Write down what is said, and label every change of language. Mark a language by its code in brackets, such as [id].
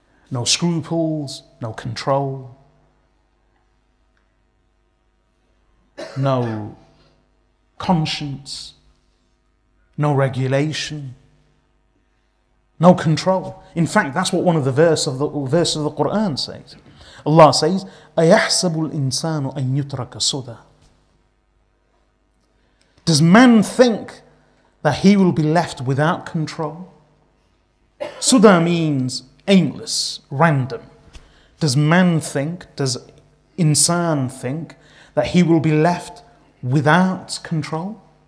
[en] No scruples, no control, no conscience, no regulation, no control. In fact, that's what one of the verses of the Quran says. Allah says, [ar] أَيَحْسَبُ الْإِنسَانُ أَنْ يُتْرَكَ سُدَى. [en] Does man think that he will be left without control? Suda means aimless, random. Does man think, does insan think, that he will be left without control?